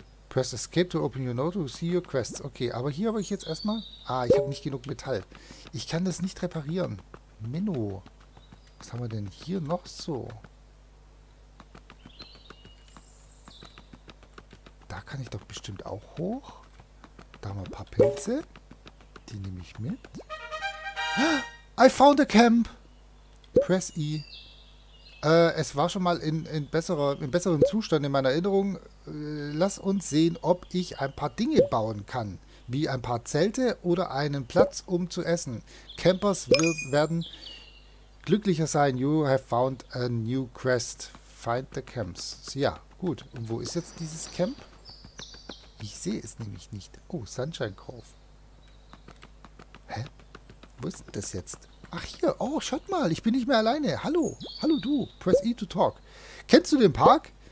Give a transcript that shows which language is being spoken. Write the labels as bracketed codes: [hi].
[en] Press escape to open your note to see your quests. [de] Okay, aber hier habe ich jetzt erstmal... Ah, ich habe nicht genug Metall. Ich kann das nicht reparieren. Menno. Was haben wir denn hier noch so? Da kann ich doch bestimmt auch hoch. Da haben wir ein paar Pilze. Die nehme ich mit. [en] I found a camp. Press E. [de] Es war schon mal in besserem Zustand in meiner Erinnerung. Lass uns sehen, ob ich ein paar Dinge bauen kann. Wie ein paar Zelte oder einen Platz, um zu essen. Campers werden glücklicher sein. [en] You have found a new quest. Find the camps. [de] Ja, gut. Und wo ist jetzt dieses Camp? Ich sehe es nämlich nicht. Oh, Sunshine Grove. Hä? Wo ist denn das jetzt? Ach hier, oh, schaut mal, ich bin nicht mehr alleine. Hallo, hallo du, [en] press E to talk. [de] Kennst du den Park?